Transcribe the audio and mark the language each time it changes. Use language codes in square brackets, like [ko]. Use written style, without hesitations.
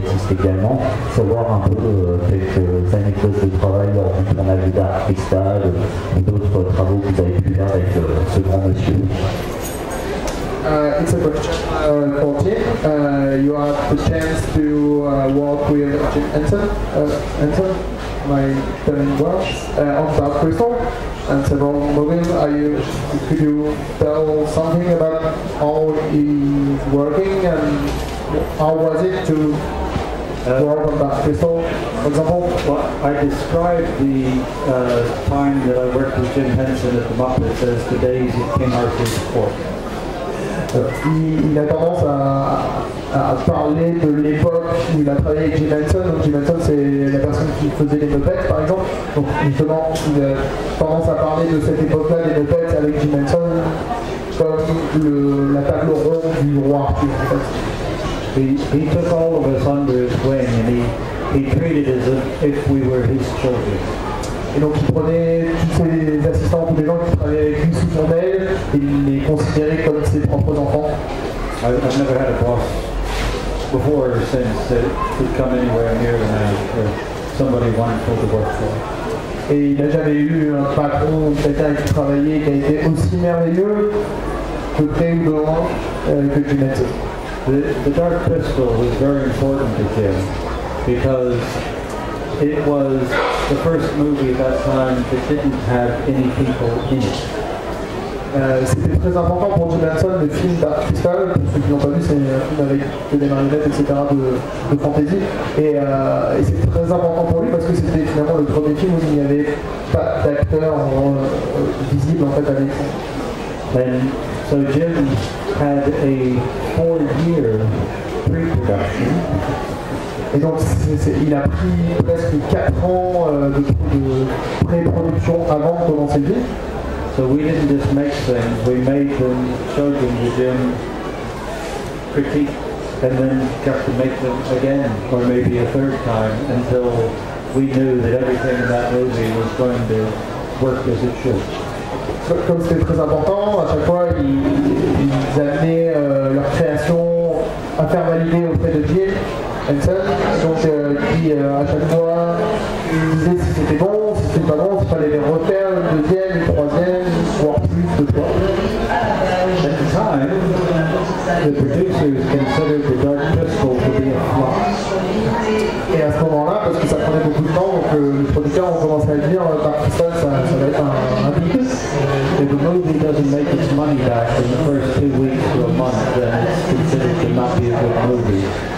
[fr] Également, savoir un peu quelques anecdotes de travail lors du tournage d'Art Cristal ou d'autres travaux que vous avez pu faire avec ce grand monsieur. [en] It's a question for Tim. You have the chance to work with Jim Henson, my German Welsh, on Dark Crystal and several movies. Could you tell something about how he's working and how was it to work on Dark Crystal, for example? Well, I described the time that I worked with Jim Henson at the Muppets as the days of King Arthur's court. [fr] Il a tendance à parler de l'époque où il a travaillé avec Jim Henson. Donc Jim Henson, c'est la personne qui faisait les Muppets, par exemple. Donc justement, il a tendance à parler de cette époque-là des Muppets avec Jim Henson comme la table ronde du roi Arthur, en fait. [en] He took all of us under his wing and he treated us as if we were his children. [fr] Et donc il prenait tous ses assistants, tous les gens qui travaillaient avec lui sous son aile, et il les considérait comme ses propres enfants. [en] I've never had a boss before or since that could come anywhere near the man or somebody wonderful to work for. [fr] Et il n'a jamais eu un patron ou quelqu'un qui travaillait qui a été aussi merveilleux que près ou de loin que Jim Henson. [en] The Dark Crystal was very important to Jim because it was the first movie at that time that didn't have any people in it. [fr] C'était très important pour Jim Henson, le film Dark Crystal, pour ceux qui n'ont pas vu, c'est un film avec des marionnettes, etc. de fantasy. Et c'est très important pour lui parce que c'était finalement le premier film où il n'y avait pas d'acteurs visibles en fait à l'écran. [en] So Jim had a 4-year pre-production. [fr] Et donc il a pris presque 4 ans de pré-production avant de lancer le film. [en] So we didn't just make things, we made them, showed them to Jim, critique, and then got to make them again, or maybe a third time, until we knew that everything in that movie was going to work as it should. [fr] Comme c'était très important, à chaque fois ils amenaient leur création à faire valider auprès de Jim Henson. Donc à chaque fois ils disaient si c'était bon, si c'était pas bon, s'il fallait les refaire une deuxième, une troisième, voire plus de fois. [en] At the time, the producers considered the Dark Crystal to be a flop. [fr] Et à ce moment-là, parce que ça prenait beaucoup de temps, donc les producteurs ont commencé à dire Dark Crystal, ça va être un bide. [en] If the movie doesn't make its money back in the first 2 weeks to a month, then it's considered to not be a good movie.